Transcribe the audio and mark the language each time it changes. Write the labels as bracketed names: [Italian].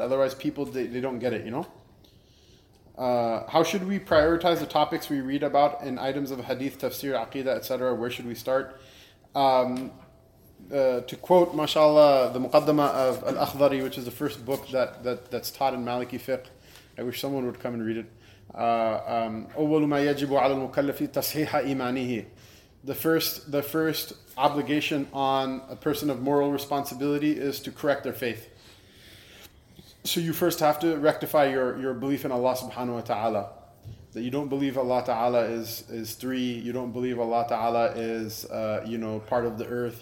[English] Otherwise, people, they don't get it, you know? How should we prioritize the topics we read about in items of hadith, tafsir, aqidah, etc.? Where should we start? To quote, mashallah, the muqaddamah of Al-Akhdari, which is the first book that's taught in Maliki Fiqh. I wish someone would come and read it. [Arabic] أول ما يجب على المكلف تصحيح إيمانه. [English] The first obligation on a person of moral responsibility is to correct their faith. So you first have to rectify your belief in Allah subhanahu wa ta'ala. That you don't believe Allah ta'ala is three. You don't believe Allah ta'ala is, you know, part of the earth.